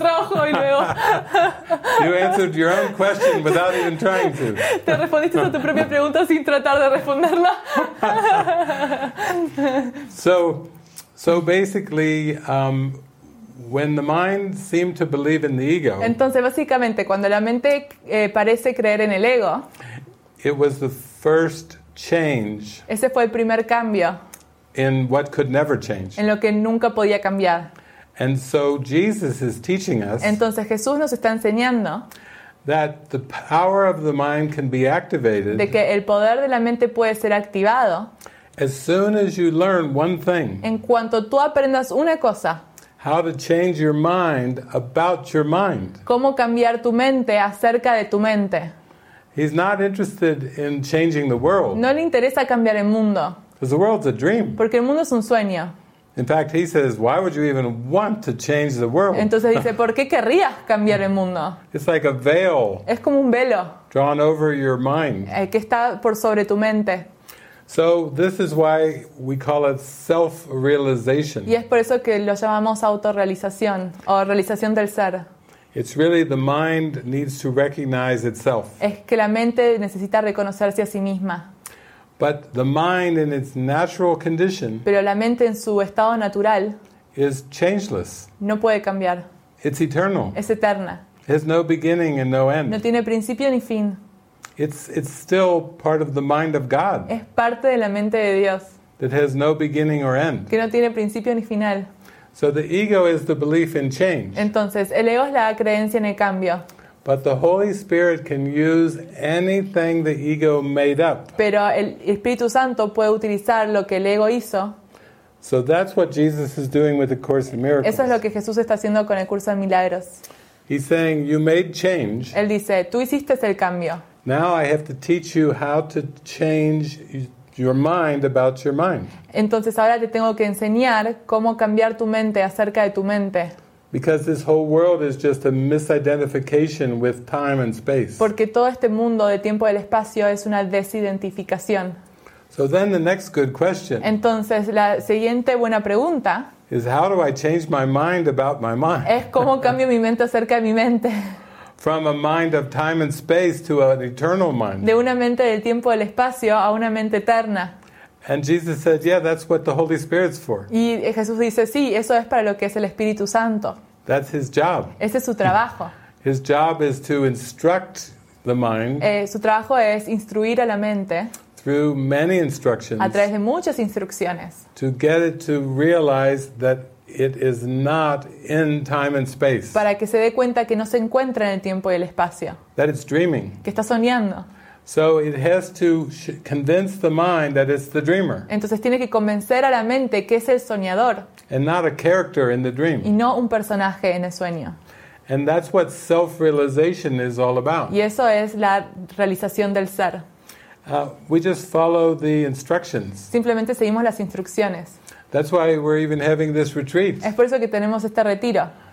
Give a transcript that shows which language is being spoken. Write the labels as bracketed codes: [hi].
[es] Rojo y luego. [en] You answered your own question without even trying to. [es] Te respondiste a tu propia pregunta sin tratar de responderla. [en] So basically. When the mind seems to believe in the ego. [es] Entonces, básicamente, cuando la mente parece creer en el ego. [en] It was the first change. [es] Ese fue el primer cambio. [en] In what could never change. [es] En lo que nunca podía cambiar. [en] And so Jesus is teaching us. [es] Entonces Jesús nos está enseñando. [en] That the power of the mind can be activated. [es] De que el poder de la mente puede ser activado. [en] As soon as you learn one thing. [es] En cuanto tú aprendas una cosa. [en] How to change your mind about your mind. [es] ¿Cómo cambiar tu mente acerca de tu mente? [en] He's not interested in changing the world. [es] No le interesa cambiar el mundo. [en] Because the world's a dream. [es] Porque el mundo es un sueño. [en] In fact, he says, why would you even want to change the world? [es] Entonces dice, ¿por qué querrías cambiar el mundo? [en] It's like a veil. [es] Es como un velo. [en] Drawn over your mind. [es] Que está por sobre tu mente. [en] So this is why we call it self-realization. [es] Y es por eso que lo llamamos autorrealización o realización del ser. [en] It's really the mind needs to recognize itself. [es] Es que la mente necesita reconocerse a sí misma. [en] But the mind in its natural condition. [es] Pero la mente en su estado natural. [en] Is changeless. [es] No puede cambiar. [en] It's eternal. [es] Es eterna. [en] It has no beginning and no end. [es] No tiene principio ni fin. [en] It's still part of the mind of God. [es] Es parte de la mente de Dios. [en] That has no beginning or end. [es] Que no tiene principio ni final. [en] So the ego is the belief in change. [es] Entonces, el ego es la creencia en el cambio. [en] But the Holy Spirit can use anything the ego made up. [es] Pero el Espíritu Santo puede utilizar lo que el ego hizo. [en] So that's what Jesus is doing with the Course in Miracles. [es] Eso es lo que Jesús está haciendo con el curso de milagros. [en] He's saying you made change. [es] Él dice, tú hiciste el cambio. [en] Now I have to teach you how to change your mind about your mind. [es] Entonces ahora te tengo que enseñar cómo cambiar tu mente acerca de tu mente. [en] Because this whole world is just a misidentification with time and space. [es] Porque todo este mundo de tiempo y del espacio es una desidentificación. [en] So then the next good question. [es] Entonces la siguiente buena pregunta [en] is how do I change my mind about my mind? [es] Es cómo cambio mi mente acerca de mi mente. [en] From a mind of time and space to an eternal mind. [es] De una mente del tiempo y del espacio a una mente eterna. [en] And Jesus said, "Yeah, that's what the Holy Spirit's for." [es] Y Jesús dice, "Sí, eso es para lo que es el Espíritu Santo." [en] That's his job. [es] Ese es su trabajo. [en] His job is to instruct the mind. [es] Su trabajo es instruir a la mente. [en] Through many instructions. [es] A través de muchas instrucciones. [en] To get it to realize that it is not in time and space. [es] Para que se dé cuenta que no se encuentra en el tiempo y el espacio. [en] That it's dreaming. [es] Que está soñando. [en] So it has to convince the mind that it's the dreamer. [es] Entonces tiene que convencer a la mente que es el soñador. [en] And not a character in the dream. [es] Y no un personaje en el sueño. [en] And that's what self-realization is all about. [es] Y eso es la realización del ser. [en] We just follow the instructions. [es] Simplemente seguimos las instrucciones. [en] That's why we're even having this retreat. [es] Es por eso que tenemos este retiro.